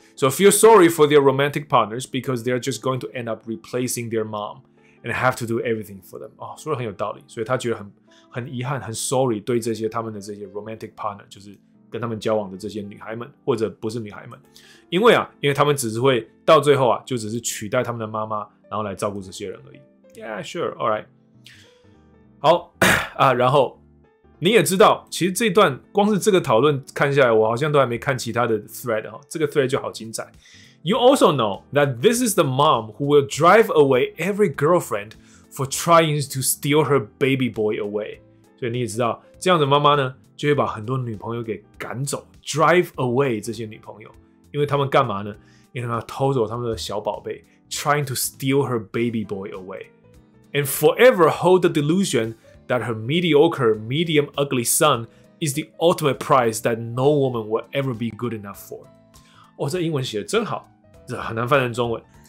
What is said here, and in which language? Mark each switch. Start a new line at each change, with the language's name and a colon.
English: So feel sorry for their romantic partners because they're just going to end up replacing their mom and have to do everything for them。
Chinese: 哦，说的很有道理，所以他觉得很遗憾，很 sorry 对这些他们的这些 romantic partner， 就是跟他们交往的这些女孩们或者不是女孩们，因为他们只是会到最后啊，就只是取代他们的妈妈，然后来照顾这些人而已。
English: Yeah, sure, all right。
Chinese: 好啊，然后。你也知道，其实这段光是这个讨论看下来，我好像都还没看其他的 thread 哈。这个 thread 就好精彩。
English: You also know that this is the mom who will drive away every girlfriend for trying to steal her baby boy away。
Chinese: 所以你也知道，这样的妈妈呢，就会把很多女朋友给赶走 ，
English: drive away
Chinese: 这些女朋友，因为他们干嘛呢？因为他们偷走他们的小宝贝
English: ，trying to steal her baby boy away， and forever hold the delusion。 That her mediocre, medium, ugly son is the ultimate prize that no woman will ever be good enough for.
Chinese: 哦，这英文写的真好，这很难翻成中文。